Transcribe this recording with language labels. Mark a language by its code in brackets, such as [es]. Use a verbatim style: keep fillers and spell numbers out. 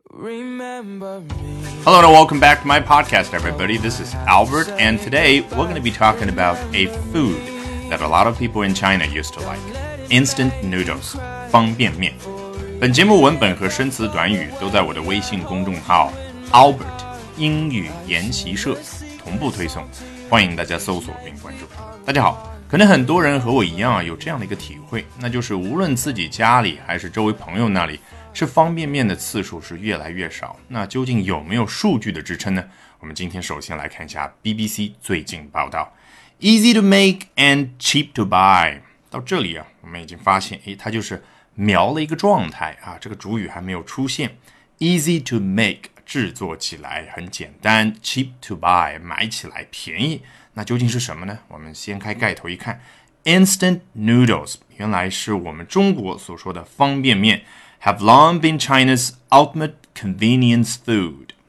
[en] Hello and welcome back to my podcast, everybody. This is Albert, and today we're going to be talking about a food that a lot of people in China used to like, instant noodles, 方便面。 [zh] 本节目文本和生词短语都在我的微信公众号 Albert 英语研习社同步推送，欢迎大家搜索并关注。大家好，可能很多人和我一样啊，有这样的一个体会，那就是无论自己家里还是周围朋友那里，吃方便面的次数是越来越少。那究竟有没有数据的支撑呢？我们今天首先来看一下 B B C 最近报道 [en] Easy to make and cheap to buy。 [zh] 到这里啊，我们已经发现诶它就是描了一个状态啊，这个主语还没有出现。 [en] Easy to make [zh] 制作起来很简单， [en] cheap to buy [zh] 买起来便宜。那究竟是什么呢？我们先开盖头一看， Instant noodles 原来是我们中国所说的方便面， [en] have long been China's ultimate convenience food.